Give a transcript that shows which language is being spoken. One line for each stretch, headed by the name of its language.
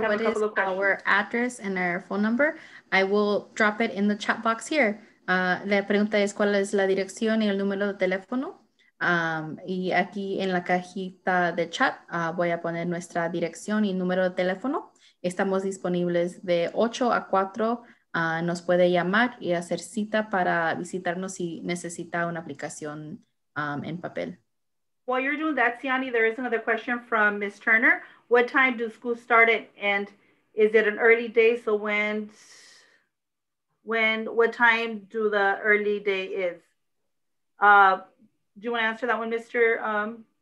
English: What is our address and our phone number? I will drop it in the chat box here.
Spanish: La pregunta es cuál es la dirección y el número de teléfono. Y aquí en la cajita de chat voy a poner nuestra dirección y número de teléfono. Estamos disponibles de 8 a 4. Nos puede llamar y hacer cita para visitarnos si necesita una aplicación en papel.
English: While you're doing that, Siani, there is another question from Ms. Turner. What time do schools start at? And is it an early day? So what time do the early day is? Do you want to answer that one, Mr.